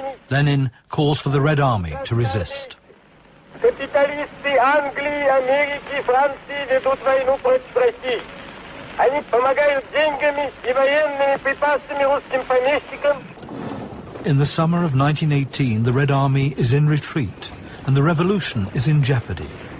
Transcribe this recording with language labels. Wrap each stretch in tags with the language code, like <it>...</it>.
<en>Lenin calls for the Red Army to resist.</en> <ru>Капиталисты Англии, Америки, Франции ведут войну против России. Они помогают деньгами и военными припасами русским помещикам.</ru> <en>In the summer of 1918, the Red Army is in retreat, and the revolution is in jeopardy.</en>